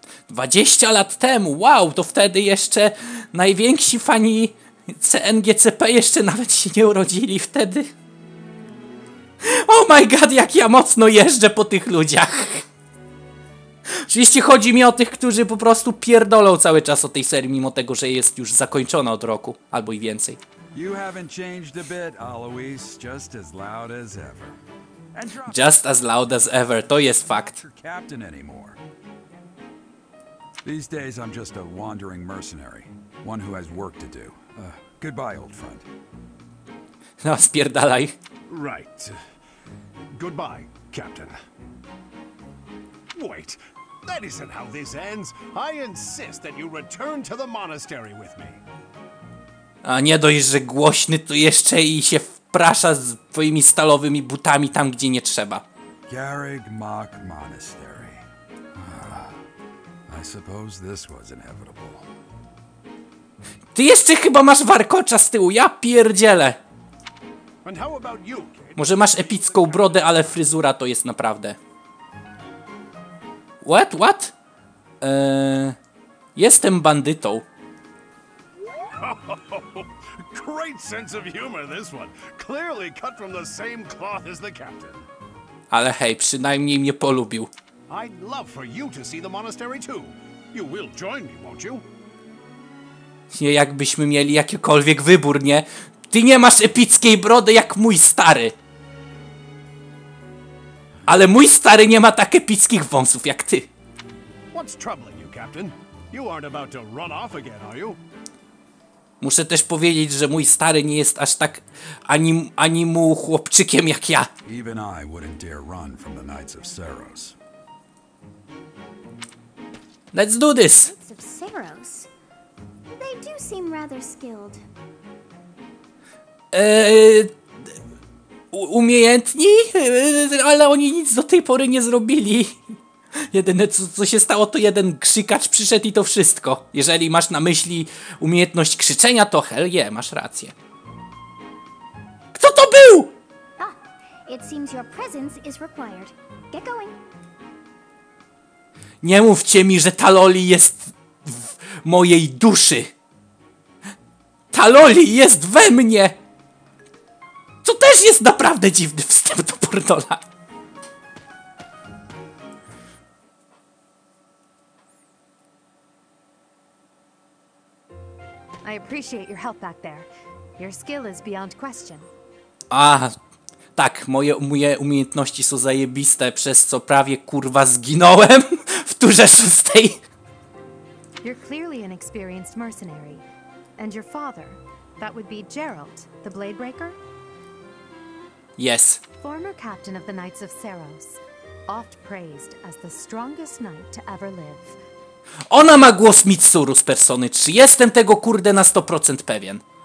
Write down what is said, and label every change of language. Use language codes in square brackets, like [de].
[pl] Dwadzieścia lat temu, wow, to wtedy jeszcze najwięksi fani CNGCP jeszcze nawet się nie urodzili wtedy. [en] Oh my god, [pl] jak ja mocno jeżdżę po tych ludziach. Oczywiście chodzi mi o tych, którzy po prostu pierdolą cały czas o tej serii, mimo tego, że jest już zakończona od roku, albo i więcej. [en] You haven't changed a bit, Alois, just as loud as ever. Just as loud as ever, [pl] to jest fakt. [en] Captain anymore. These days I'm just a wandering mercenary, one who has work to do. Goodbye, old friend. [pl] No, spierdalaj. [en] Right. Goodbye, Captain. Wait, that isn't how this ends. I insist that you return to the monastery with me. [pl] A nie dość, że głośny, to jeszcze i się wprasza z twoimi stalowymi butami tam, gdzie nie trzeba. [en] Garrig Mach Monastery. I suppose this was inevitable. [pl] Ty jeszcze chyba masz warkocza z tyłu, ja pierdzielę. [en] And how about you, kid? [pl] Może masz epicką brodę, ale fryzura to jest naprawdę. [en] What? What? [pl] Jestem bandytą. [en] Great sense of humor, this one. Clearly cut from the same cloth as the captain. [pl] Ale hej, przynajmniej mnie polubił. [en] I'd love for you to see the monastery too. You will join me, won't you? [pl] Nie, jakbyśmy mieli jakikolwiek wybór, nie? Ty nie masz epickiej brody jak mój stary. Ale mój stary nie ma tak epickich wąsów jak ty. [en] What's troubling you, Captain? You aren't about to run off again, are you? [pl] Muszę też powiedzieć, że mój stary nie jest aż tak animu chłopczykiem jak ja. [en] Even I wouldn't dare run from the Knights of Saros. Let's do this. Knights of Saros. They do seem rather skilled. [pl] Umiejętni? Ale oni nic do tej pory nie zrobili. Jedyne co się stało, to jeden krzykacz przyszedł i to wszystko. Jeżeli masz na myśli umiejętność krzyczenia, to [en] hell yeah, [pl] masz rację. Kto to był? [en] Ah, it seems your presence is required. Get going. [pl] Nie mówcie mi, że Taloli jest w mojej duszy. Taloli jest we mnie. To też jest naprawdę dziwny wstęp do Portola. [en] I appreciate your help back there. Your skill is beyond question. A, tak, moje umiejętności są zajebiste, przez co prawie kurwa zginąłem w turze szóstej. You're clearly an experienced mercenary. And your father, that would be Geralt, the Bladebreaker? Yes. Former captain of the Knights of Saros, oft praised as the strongest knight to ever live. [pl] Ona ma głos Mitsuru z Persony 3. Jestem tego kurde na 100% pewien.